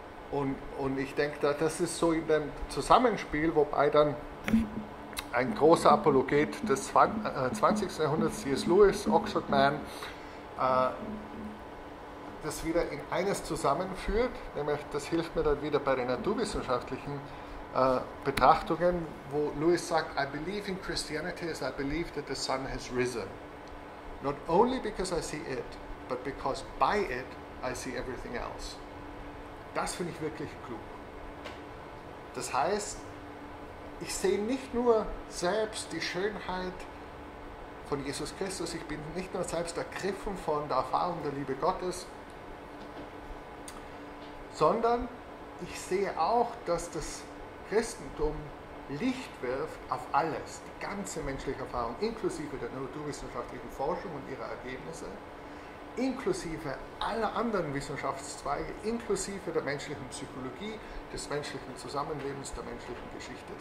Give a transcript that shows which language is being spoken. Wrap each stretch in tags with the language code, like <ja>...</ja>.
<de>Und ich denke, das ist so in dem Zusammenspiel, wobei dann ein großer Apologet des 20. Jahrhunderts, C.S. Lewis, Oxford Man, das wieder in eines zusammenführt, nämlich das hilft mir dann wieder bei den naturwissenschaftlichen Betrachtungen, wo Lewis sagt,</de> <en>I believe in Christianity as I believe that the sun has risen. Not only because I see it, but because by it I see everything else.</en> <de>Das finde ich wirklich klug. Das heißt, ich sehe nicht nur selbst die Schönheit von Jesus Christus, ich bin nicht nur selbst ergriffen von der Erfahrung der Liebe Gottes, sondern ich sehe auch, dass das Christentum Licht wirft auf alles, die ganze menschliche Erfahrung, inklusive der naturwissenschaftlichen Forschung und ihrer Ergebnisse, inklusive aller anderen Wissenschaftszweige, inklusive der menschlichen Psychologie, des menschlichen Zusammenlebens, der menschlichen Geschichte.</de>